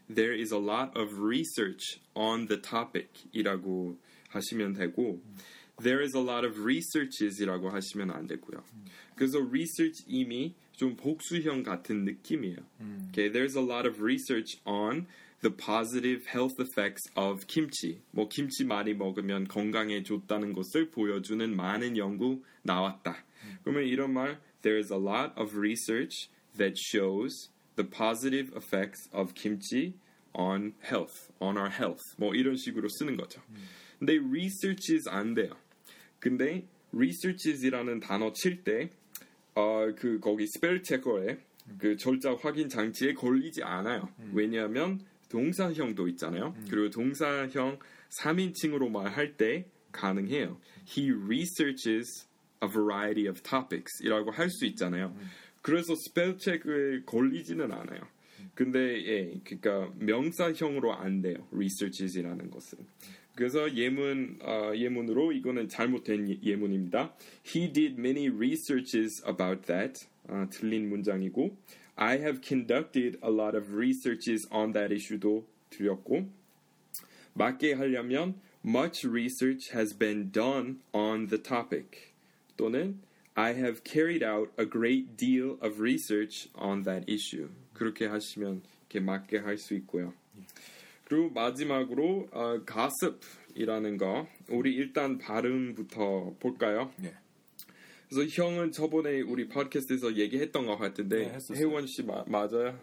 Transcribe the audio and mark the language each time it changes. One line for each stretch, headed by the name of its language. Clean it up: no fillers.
English: There is a lot of research on the topic
Korean: 이라고 하시면 되고
English: There is a lot of researches
Korean: 이라고 하시면 안 되고요. 그래서
English: research 이미
Korean: 좀 복수형 같은 느낌이에요.
English: Okay, there's a lot of research on the positive health effects of kimchi.
Korean: 뭐 김치 많이 먹으면 건강에 좋다는 것을 보여주는 많은 연구 나왔다. 그러면 이런 말,
English: there's a lot of research that shows the positive effects of kimchi on health, on our health.
Korean: 뭐 이런 식으로 쓰는 거죠. 근데 researches 안 돼요. 근데 researches이라는 단어 칠 때 그 거기 스펠 체커에 그 절자 확인 장치에 걸리지 않아요. 왜냐하면 동사형도 있잖아요. 그리고 동사형 3인칭으로 말할 때 가능해요.
English: He researches a variety of topics
Korean: 이라고 할 수 있잖아요. 그래서 스펠 체크에 걸리지는 않아요. 근데 예, 그러니까 명사형으로 안 돼요. researches 이라는 것은. 그래서 예문, 예문으로 이거는 잘못된 예문입니다.
English: He did many researches about that.
Korean: 틀린 문장이고
English: I have conducted a lot of researches on that issue
Korean: 도 틀렸고 맞게 하려면
English: much research has been done on the topic
Korean: 또는
English: I have carried out a great deal of research on that issue.
Korean: 그렇게 하시면 이렇게 맞게 할 수 있고요. 그리고 마지막으로 gossip이라는 거 우리 일단 발음부터 볼까요? 네. 그래서 형은 저번에 우리 팟캐스트에서 얘기했던 것 같은데 네, 혜원 씨 맞아요?